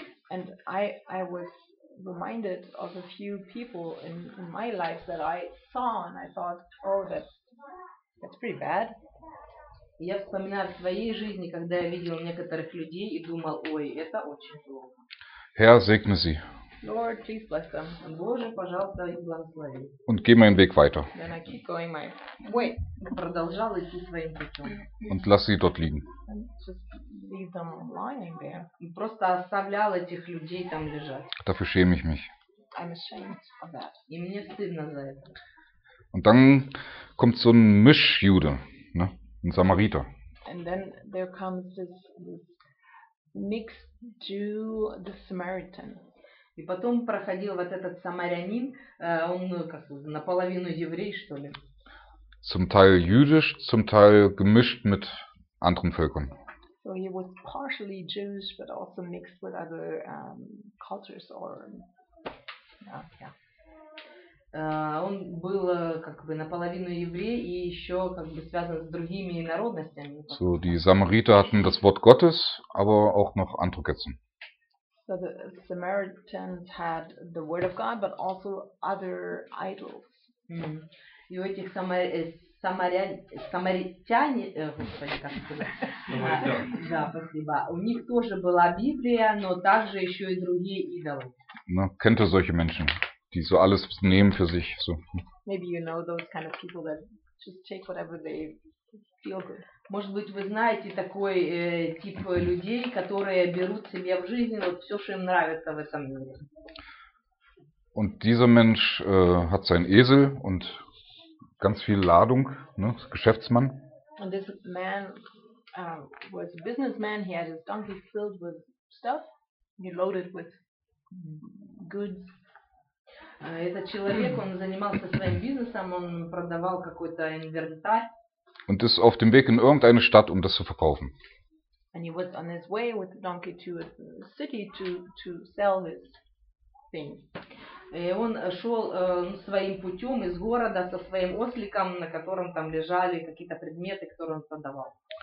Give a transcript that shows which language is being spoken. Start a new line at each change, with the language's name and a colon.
English: And I was reminded of a few people in my life that I saw and I thought, oh, that's pretty bad.
Russian: Я вспоминаю в своей жизни, когда я видел некоторых людей и думал, ой, это очень плохо.
German: Herr, segne sie.
English: Lord, please bless them.
Russian: Боже, пожалуйста, их благослови.
German: Und geh meinen Weg weiter.
English: Then I keep going my way.
Russian: Продолжал идти своим путем.
German: Und lasse sie dort liegen.
English: Just leave them lying there.
Russian: И просто оставлял этих людей там лежать.
German: Dafür schäme ich mich.
English: I'm ashamed of that.
Russian: И мне стыдно за это.
German: Und dann kommt so ein Mischjude, ne? Ein Samariter.
English: And then there comes this mixed Jew, the Samaritan.
Russian: И потом проходил вот этот самарянин, он как наполовину еврей, что ли.
German: Zum Teil jüdisch, zum Teil gemischt mit anderen Völkern.
English: So he was partially Jewish, but also mixed with other cultures or yeah.
Russian: Он был как бы наполовину еврей и еще как бы связан с другими народностями.
German: So die Samariter hatten das Wort Gottes, aber auch noch andere Götzen.
English: So the Samaritans had the word of God, but also other idols. Mm-hmm.
Russian: И у этих самаритян, у них тоже была Библия, но также еще и другие идолы.
German: Ну, kennt ihr solche Menschen, die so alles nehmen für sich?
English: So. Maybe you know those kind of people that just take whatever they feel good.
Russian: Может быть, вы знаете такой тип людей, которые берут себе в жизнь вот все, что им нравится в этом мире.
German: Und dieser Mensch hat seinen Esel und ganz viel Ladung, ne, Geschäftsmann.
English: And this man was a businessman. He had his donkey filled with stuff. He loaded with goods.
Russian: Этот человек, он занимался своим бизнесом, он продавал какой-то инвентарь.
German: Und ist auf dem Weg in irgendeine Stadt, um das zu verkaufen.
English: And he was on his way with the donkey to a city to sell his thing.
Russian: И он шел своим путем из города со своим осликом, на котором там лежали какие-то предметы, которые он продавал.